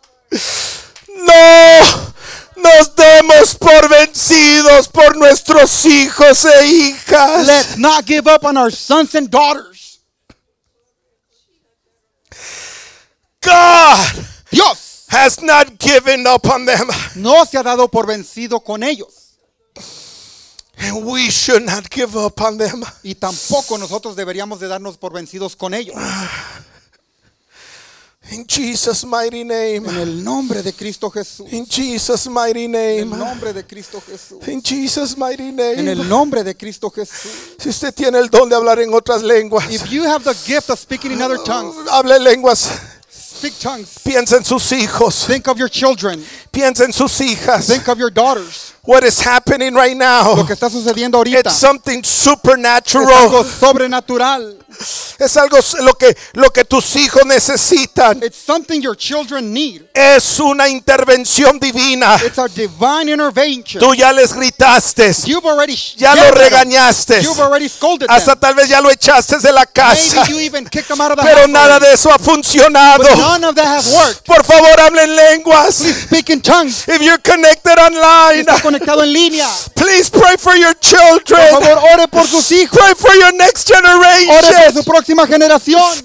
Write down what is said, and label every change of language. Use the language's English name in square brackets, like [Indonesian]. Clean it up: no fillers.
[Spanish] No nos demos por vencidos por nuestros hijos e hijas. [English] Let's not give up on our sons and daughters. God, [Spanish] Dios, [English] has not given up on them. [Spanish] No se ha dado por vencido con ellos. [English] And we should not give up on them. [Spanish] Y tampoco nosotros deberíamos de darnos por vencidos con ellos. [English] In Jesus' mighty name. [Spanish] En el nombre de Cristo Jesús. [English] In Jesus' mighty name. [Spanish] En el nombre de Cristo Jesús. [English] In Jesus' mighty name. [Spanish] En el nombre de Cristo Jesús. Si usted tiene el don de hablar en otras lenguas. [English] If you have the gift of speaking in other tongues. [Spanish] Hable lenguas. [English] Speak tongues. [Spanish] Piensa en sus hijos. [English] Think of your children. [Spanish] Piensa en sus hijas. [English] Think of your daughters. What is happening right now? [Spanish] Lo que está sucediendo ahorita. [English] It's something supernatural. [Spanish] Es algo sobrenatural. Es algo lo que tus hijos necesitan. [English] It's something your children need. [Spanish] Es una intervención divina. [English] It's a divine intervention. [Spanish] Tú ya les gritaste. [English] You've already [Spanish] ya lo regañaste. [English] You've already scolded them. [Spanish] Hasta tal vez ya lo echaste de la casa. [English] Maybe you even kicked them out of the [Spanish] Pero [English] house [Spanish] nada [English] already. [Spanish] De eso ha funcionado. [English] But none of that has worked. [Spanish] Por favor, hablen lenguas. [English] Please speak in tongues. If you're connected online. [Spanish] Si está conectado en línea. [English] Please pray for your children. [Spanish] Por favor, ore por sus hijos. [English] Pray for your next generation. [Spanish] Ore por su próxima generación.